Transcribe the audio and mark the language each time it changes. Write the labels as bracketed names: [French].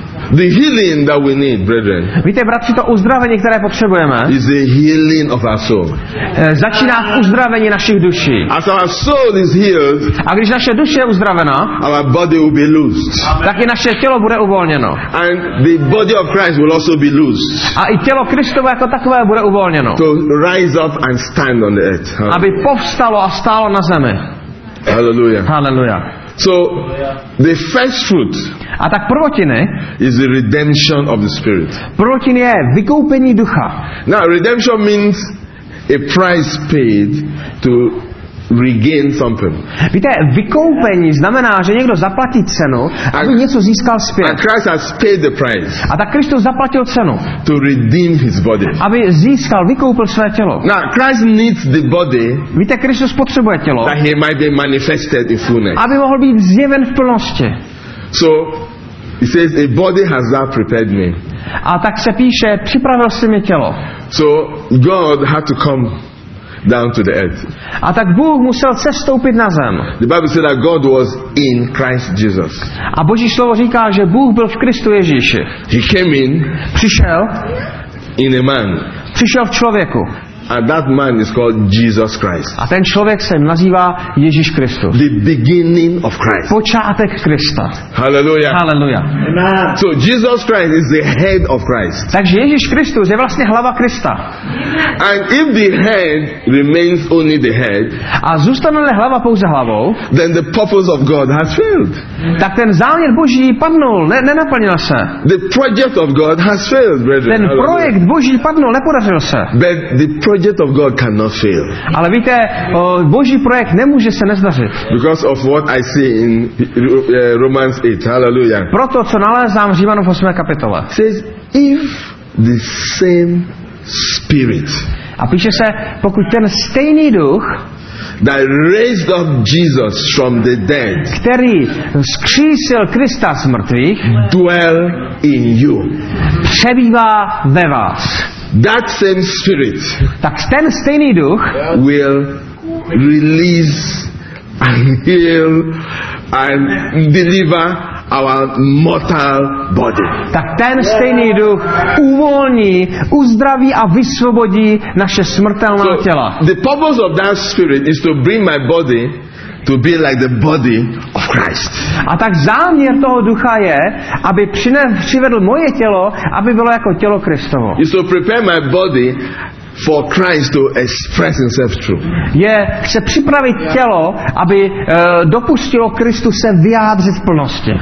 [English] The healing that we need, brethren. [Czech] Víte, bratři, to uzdravení, které potřebujeme. [English] Is the healing of our soul. [Czech] Začíná uzdravení našich duší. [English] As our soul is healed. [Czech] A když naše duše je uzdravena. [English] Our body will be loosed. [Czech] Tak i naše tělo bude uvolněno. [English] And the body of Christ will also be loosed. [Czech] A i tělo Kristovo jako takové bude uvolněno. [English] To rise up and stand on the earth. [Czech] Huh? Aby povstalo a stálo na zemi. [English] Hallelujah. [Czech] Hallelujah. [English] So the first fruit. [Czech] A tak prvotiny [English] is the redemption of the spirit. [Czech] Prvotiny je vykoupení ducha. [English] Now redemption means a price paid to regain something. [Czech] Víte, vykoupení znamená, že někdo zaplatí cenu, aby něco získal zpět. [English] And Christ has paid the price. [Czech] A tak Kristus zaplatil cenu. [English] To redeem his body. [Czech] Aby získal, vykoupil své tělo. [English] Now Christ needs the body. [Czech] Víte, Kristus potřebuje tělo. [English] That he might be manifested in fullness. [Czech] Aby mohl být zjeven v plnosti. [English] So he says, a body has thou prepared me. [Czech] A tak se píše, připravil jsi mi tělo. [English] So God had to come down to the earth. [Czech] A tak Bůh musel sestoupit na zem. [English] The Bible said that God was in Christ Jesus. [Czech] A Boží slovo říká, že Bůh byl v Kristu Ježíši. [English] He came in. [Czech] Přišel. [English] In a man. [Czech] Přišel v člověku. [English] And that man is called Jesus Christ. [Czech] A ten člověk se nazývá Ježíš Kristus. [English] The beginning of Christ. [Czech] Počátek Krista. [English] Hallelujah. [Czech] Hallelujah. [English] Amen. So Jesus Christ is the head of Christ. [Czech] Takže Ježíš Kristus je vlastně hlava Krista. [English] And if the head remains only the head, [Czech] a zůstane hlava pouze hlavou, [English] then the purpose of God has failed. [Czech] Tak ten záměr Boží padnul, nenaplnil se. [English] The project of God has failed, brethren. [Czech] Ten projekt Boží padnul, nepodařil se. [English] But the project of God cannot fail. [Czech] Ale víte, Boží projekt nemůže se nezdařit. [English] Because of what I see in Romans 8. Hallelujah. [Czech] Proto co nalézám v Římanům 8. kapitole. [English] Says if the same spirit. [Czech] A píše se, pokud ten stejný duch, [English] that raised up Jesus from the dead, [Czech] který vzkřísil Krista z mrtvých, [English] dwell in you. [Czech] Přebývá ve vás. [English] That same spirit, [Czech] tak ten stejný duch, [English] will release and heal and deliver our mortal body. [Czech] Tak ten stejný duch uvolní, uzdraví a vysvobodí naše smrtelná těla. [English] So the purpose of that spirit is to bring my body to be like the body of Christ. [Czech] A tak záměr toho ducha je, aby přivedl moje tělo, aby bylo jako tělo Kristovo. [English] He's to prepare my body for Christ to express himself through. [Czech] Je se připravit tělo, aby dopustilo Kristu se vyjádřit v plnosti.